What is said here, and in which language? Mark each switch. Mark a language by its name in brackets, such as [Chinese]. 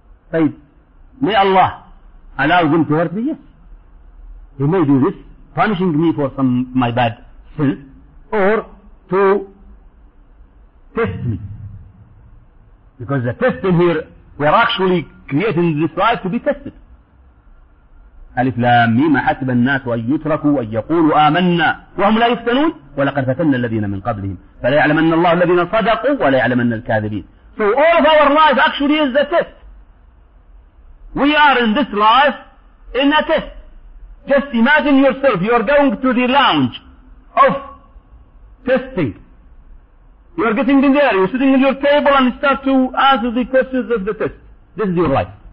[English] Say, may Allah allow them to hurt me? Yes. He may do this, punishing me for some my bad sins, or to test me. Because the testing here, we are actually creating this life to be tested. [Arabic] ألف لام ميم حسب الناس أن يتركوا أن يقولوا آمنا وهم لا يفتنون ولقد فتنا الذين من قبلهم فلا يعلمن الله الذين صدقوا ولا يعلمن الكاذبين. [English] So all of our life actually is a test. We are in this life in a test. Just imagine yourself, you are going to the lounge of testing. You are getting in there, you are sitting at your table and start to answer the questions of the test. This is your life.